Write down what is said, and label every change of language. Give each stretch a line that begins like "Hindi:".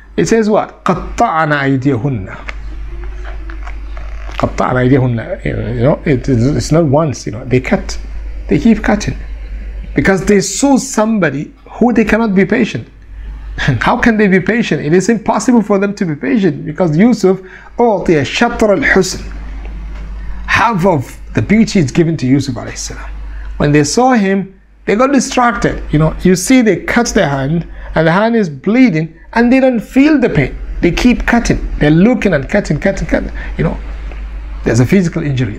English: It says what?
Arabic: قَطَّعَنَا أَيْدِيَهُنَّ. قَطَّعَنَا أَيْدِيَهُنَّ.
English: You know, it's not once, you know, they cut. They keep cutting. Because they saw somebody who they cannot be patient. How can they be patient? It is impossible for them to be patient. Because Yusuf,
Arabic: أُعْطِيَ شَطْرَ الْحُسْنِ.
English: Half of the beauty is given to Yusuf alayhi salam. When they saw him, they got distracted. You know, you see they cut their hand, and the hand is bleeding, and they don't feel the pain. They keep cutting. They're looking and cutting, cutting, cutting. You know, there's a physical injury.